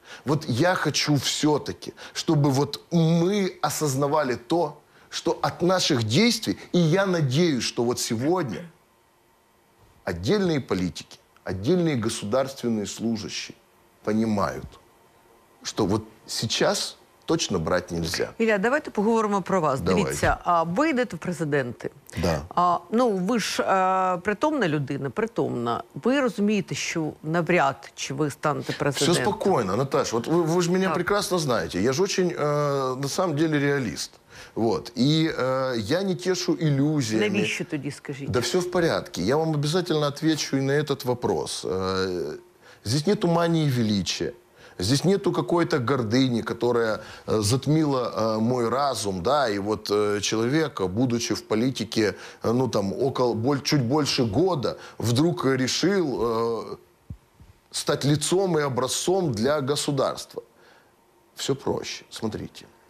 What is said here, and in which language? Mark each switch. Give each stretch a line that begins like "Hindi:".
Russian: Вот я хочу все-таки, чтобы вот мы осознавали то, что от наших действий, и я надеюсь, что вот сегодня отдельные политики, отдельные государственные служащие понимают, что вот сейчас точно брать нельзя.
Ukrainian: Ілля, давайте поговоримо про вас. Давай. Дивіться, ви йдете в президенти.
Russian: Да.
Ukrainian: Ну, ви ж притомна людина, притомна. Ви розумієте, що навряд чи ви станете президентом. Все спокійно, Наташа. От ви ж мене прекрасно знаєте.
Russian: Я ж очень, на самом деле, реаліст. Вот.
Ukrainian: І я не тешу ілюзіями. Навіщо тоді, скажіть?
Russian: Да все в порядку.
Ukrainian: Я вам обов'язково відповім і на цей вопрос.
Russian: Здесь нету мании величия. Здесь нету какой-то гордыни, которая затмила мой разум, да, и вот человека, будучи в политике, ну, там, чуть больше года, вдруг решил стать лицом и образцом для государства. Все проще. Смотрите.